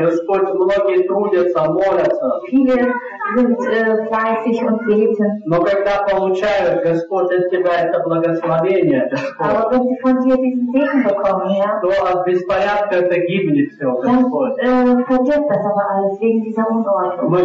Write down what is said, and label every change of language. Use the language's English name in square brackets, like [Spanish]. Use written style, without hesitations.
[Russian] Господь, многие трудятся, молятся. [German] Viele sind fleißig und beten. [Russian] Но когда получают, Господь, от Тебя это благословение, Господь. [German] Aber wenn sie von Dir diesen Segen bekommen, ja. [Russian] То от беспорядка это гибнет все, Господь. [German] Verdirbt das aber alles wegen dieser Unordnung.